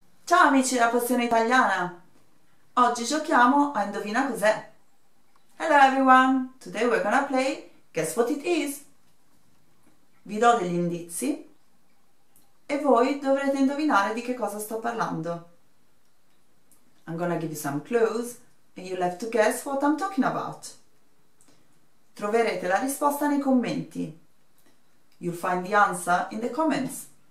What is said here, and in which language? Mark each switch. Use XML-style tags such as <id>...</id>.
<it>Ciao amici della Passione Italiana! Oggi giochiamo a Indovina cos'è?</it> <en>Hello everyone! Today we're gonna play Guess What It Is!</en> <it>Vi do degli indizi e voi dovrete indovinare di che cosa sto parlando.</it> <en>I'm gonna give you some clues and you'll have to guess what I'm talking about.</en> <it>Troverete la risposta nei commenti.</it> <en>You'll find the answer in the comments.</en>